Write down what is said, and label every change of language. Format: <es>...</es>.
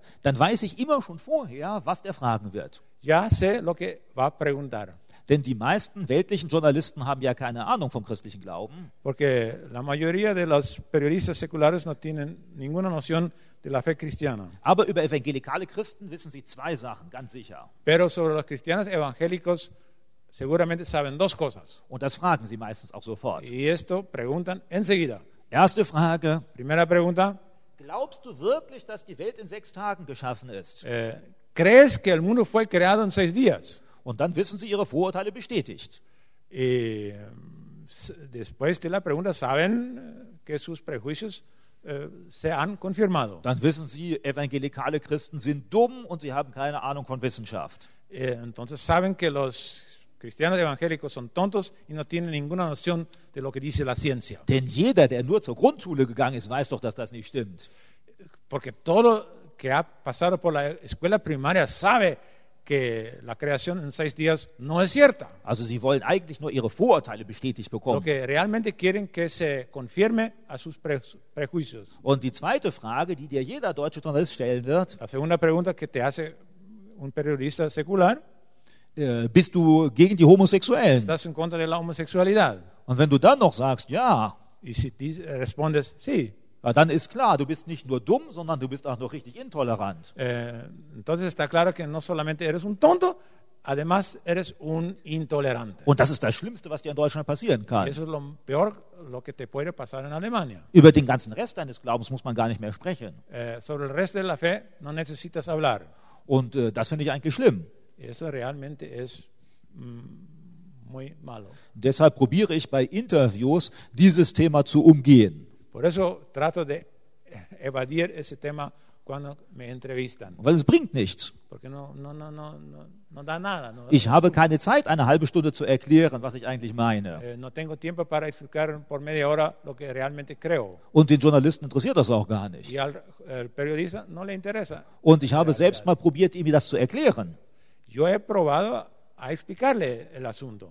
<de>Dann weiß ich immer schon vorher, was der fragen wird.</de> <es>Ya sé lo que va a preguntar.</es> <de>Denn die meisten weltlichen Journalisten haben ja keine Ahnung vom christlichen Glauben.</de> <es>Porque la mayoría de los periodistas seculares no tienen ninguna noción de la fe cristiana.</es> <de>Aber über evangelikale Christen wissen sie zwei Sachen, ganz sicher.</de> <es>Pero sobre los cristianos evangélicos seguramente saben dos cosas.</es> <de>Und das fragen sie meistens auch sofort.</de> <es>Y esto preguntan enseguida.</es> <de>Erste Frage.</de> <es>Primera pregunta.</es> <de>Glaubst du wirklich, dass die Welt in sechs Tagen geschaffen ist?</de> <es>¿Crees que el mundo fue creado en seis días?</es> <de>Und dann wissen sie ihre Vorurteile bestätigt.</de> <es>Y después de la pregunta saben que sus prejuicios se han confirmado.</es> <de>Dann wissen sie, evangelikale Christen sind dumm und sie haben keine Ahnung von Wissenschaft.</de> <es>Entonces saben que los cristianos evangélicos son tontos y no tienen ninguna noción de lo que dice la ciencia.</es> <de>Denn jeder, der nur zur Grundschule gegangen ist, weiß doch, dass das nicht stimmt.</de> <es>Porque todo que ha pasado por la escuela primaria sabe que la creación en seis días no es cierta.</es> <de>Also sie wollen eigentlich nur ihre Vorurteile bestätigt bekommen.</de> <es>Lo que realmente quieren que se confirme a sus prejuicios.</es> <de>Und die zweite Frage, die dir jeder deutsche Journalist stellen wird.</de> <es>La segunda pregunta que te hace un periodista secular.</es> <de>Bist du gegen die Homosexuellen?</de> <es>Estás en contra de la homosexualidad.</es> <de>Und wenn du dann noch sagst, ja.</de> <es>Y si respondes, sí.</es> <de>Ja, dann ist klar, du bist nicht nur dumm, sondern du bist auch noch richtig intolerant.</de> <es>Entonces está claro que no solamente eres un tonto, además eres un intolerante.</es> <de>Und das ist das Schlimmste, was dir in Deutschland passieren kann.</de> <es>Eso es lo peor lo que te puede pasar en Alemania.</es> <de>Über den ganzen Rest deines Glaubens muss man gar nicht mehr sprechen.</de> <es>Sobre el resto de la fe no necesitas hablar.</es> <de>Und das finde ich eigentlich schlimm.</de> <es>Eso realmente es muy malo.</es> <de>Deshalb probiere ich bei Interviews dieses Thema zu umgehen.</de> <es>Por eso trato de evadir ese tema cuando me entrevistan.</es> <de>Weil es bringt nichts.</de> <es>Porque no da nada.</es> <de>Ich habe keine Zeit, eine halbe Stunde zu erklären, was ich eigentlich meine.</de> <es>No tengo tiempo para explicar por media hora lo que realmente creo.</es> <de>Und den Journalisten interessiert das auch gar nicht.</de> <es>Y al periodista no le interesa.</es> <de>Und ich habe selbst mal probiert, ihm das zu erklären.</de> <es>Yo he probado a explicarle el asunto.</es>